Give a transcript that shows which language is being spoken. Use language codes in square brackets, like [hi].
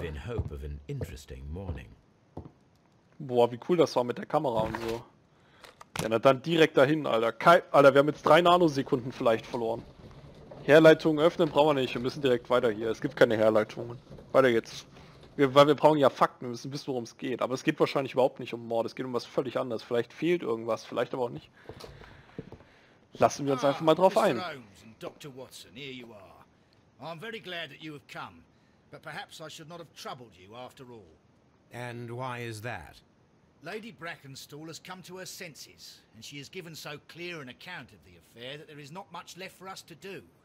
[en] I live in hope of an interesting morning. [de] Boah, wie cool das war mit der Kamera und so. Ja, na dann direkt dahin, Alter. Alter, wir haben jetzt 3 Nanosekunden vielleicht verloren. Herleitungen öffnen brauchen wir nicht. Wir müssen direkt weiter hier. Es gibt keine Herleitungen. Weiter geht's. Weil wir brauchen ja Fakten. Wir müssen wissen, worum es geht. Aber es geht wahrscheinlich überhaupt nicht um Mord. Es geht um was völlig anderes. Vielleicht fehlt irgendwas. Vielleicht aber auch nicht. Lassen wir uns einfach mal drauf ein. [en] Dr. Watson, here you are. I'm very glad that you have come. But perhaps I should not have troubled you after all. And why is that? Lady Brackenstall has come to her senses, and she has given so clear an account of the affair that there is not much left for us to do.